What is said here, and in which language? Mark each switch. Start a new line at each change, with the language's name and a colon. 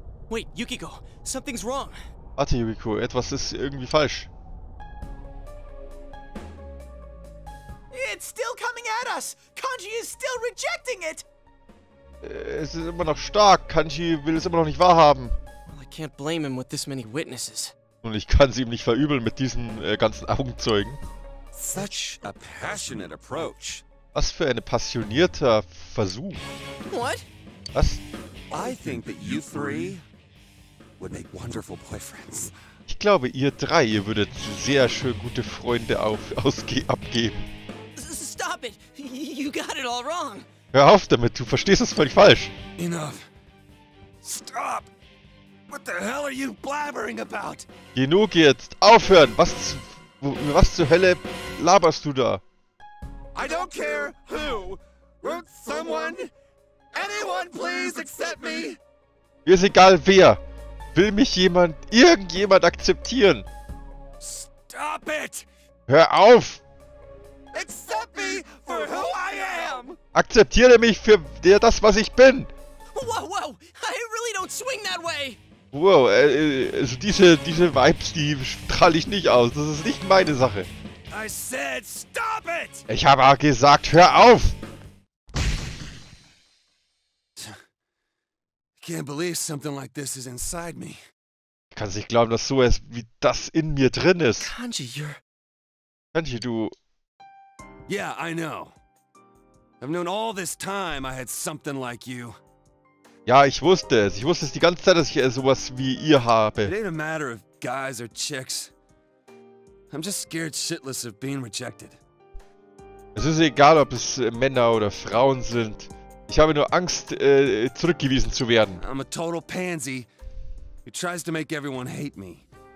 English: Wait, Yukiko, something's wrong!
German: Warte, Yukiko, etwas ist irgendwie falsch.
English: It's still coming at us! Kanji is still rejecting it!
German: Es ist immer noch stark, Kanji will es immer noch nicht wahrhaben.
English: Well, I can't blame him with this many witnesses.
German: Und ich kann sie ihm nicht verübeln mit diesen ganzen Augenzeugen.
English: Such a passionate approach.
German: Was für ein passionierter Versuch.
English: What?
German: Was?
English: I think that you three would make wonderful boyfriends.
German: Ich glaube, ihr drei, ihr würdet sehr schön gute Freunde abgeben.
English: Stop it! You got it all wrong!
German: Hör auf damit, du verstehst es völlig falsch!
English: Enough! Stop! What the hell are you blabbering about?
German: Genug jetzt! Aufhören! Was zur Hölle laberst du da?
English: I don't care who wrote someone. Anyone please accept me?
German: Mir ist egal wer. Will mich jemand, irgendjemand akzeptieren?
English: Stop it!
German: Hör auf!
English: Accept me for who I am!
German: Akzeptiere mich für das, was ich bin!
English: Wow, wow! I really don't swing that way!
German: Wow, also diese Vibes, die strahle ich nicht aus. Das ist nicht meine Sache.
English: I said stop it!
German: Ich habe auch gesagt, hör auf!
English: I can't believe something like this is inside me.
German: Ich kann nicht glauben, dass so etwas wie das in mir drin ist.
English: Kanji, you're...
German: Kanji, du...
English: Yeah, I know. I've known all this time I had something like you.
German: Ja, ich wusste es. Ich wusste es die ganze Zeit, dass ich sowas wie ihr habe.
English: It ain't a matter of guys or chicks. I'm just scared shitless of being rejected.
German: Es ist egal, ob es Männer oder Frauen sind. Ich habe nur Angst, zurückgewiesen zu werden.
English: I'm a total pansy who tries to make everyone hate me.